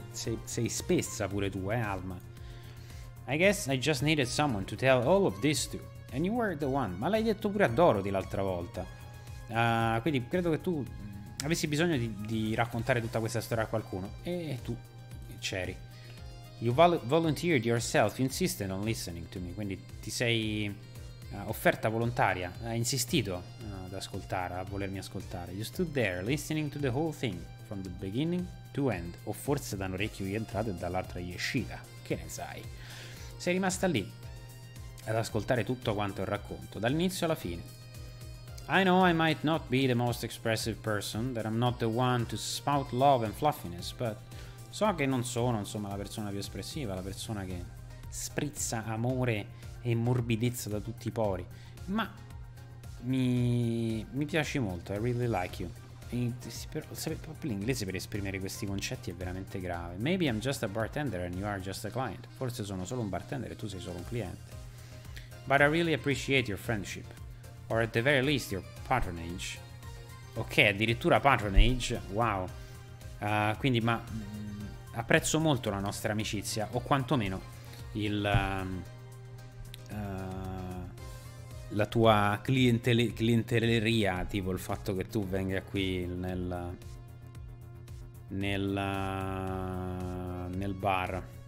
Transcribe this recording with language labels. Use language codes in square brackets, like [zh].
[it] Sei spessa pure tu, Alma. [en] I guess I just needed someone to tell all of this to. And you were the one. [it] Ma l'hai detto pure a Dorothy l'altra volta. Quindi credo che tu avessi bisogno di raccontare tutta questa storia a qualcuno. E tu c'eri. [en] You volunteered yourself, insisted on listening to me. [it] Quindi ti sei offerta volontaria. Hai insistito ad ascoltare, a volermi ascoltare. [en] You stood there, listening to the whole thing, from the beginning to end. [it] O forse da un orecchio gli è entrato e dall'altra gli è uscita. Che ne sai? Sei rimasta lì ad ascoltare tutto quanto il racconto, dall'inizio alla fine. [en] I know I might not be the most expressive person, that I'm not the one to spout love and fluffiness, but [it] so che non sono, insomma, la persona più espressiva, la persona che sprizza amore e morbidezza da tutti i pori, ma mi piaci molto. [en] I really like you. [it] Proprio l'inglese per esprimere questi concetti è veramente grave. [en] Maybe I'm just a bartender and you are just a client. [it] Forse sono solo un bartender e tu sei solo un cliente. [en] But I really appreciate your friendship, or at the very least your patronage. [it] Ok, addirittura patronage. Wow. Quindi, ma apprezzo molto la nostra amicizia, o quantomeno la tua clientelleria, tipo il fatto che tu venga qui nel bar.